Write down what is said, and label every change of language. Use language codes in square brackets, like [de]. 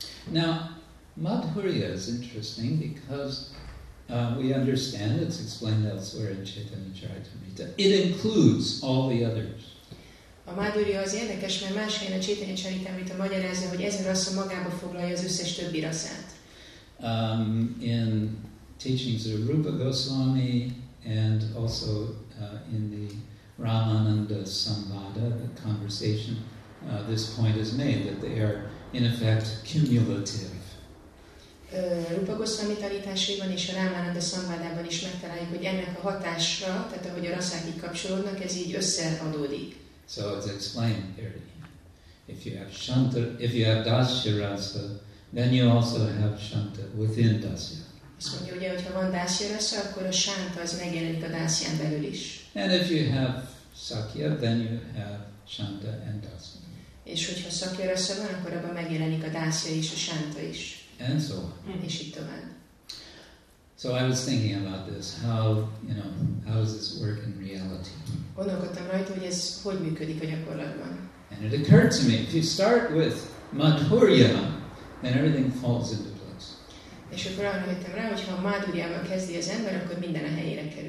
[en] Now, madhurya is interesting because we understand it's explained elsewhere in Chaitanya Charitamrita. It includes all the others. [hu] A madhurya az érdekes, mert más helyen a Chaitanya Charitamrita magyarázza, hogy ez a rasa magába foglalja az összes többi rasát. [en] In teachings of Rupa Goswami, and also in the Ramananda Samvada, the conversation, this point is made that they are in effect cumulative. [hu] Rupa Goswami tanításában és a Ramananda Samvadában is megtaláljuk, hogy ennek a hatásra, tehát ahogy a rasszák így kapcsolódnak, ez így összeadódik. [en] So it's explained here. If you have shanta, if you have dasya rasa, then you also have shanta within dasya. [hu] Azt mondja, ugye, hogyha van dasya rasa, akkor a shanta az megjelenik a dasyán belül is. [en] And if you have sakya, then you have shanta and dasya. [hu] És hogyha sakya rasa van, akkor abban megjelenik a dasya is, a shanta is. [en] And so on. [hu] És így tovább. [en] So I was thinking about this, how, you know, how does this work in reality? [hu] Gondolkodtam rajta, hogy ez hogy működik a gyakorlatban. [en] And it occurred to me, if you start with Madhurya, then everything falls into place. [hu] És akkor arra jöttem rá, hogyha a Madhurya-val kezdi az ember, akkor minden a helyére kerül.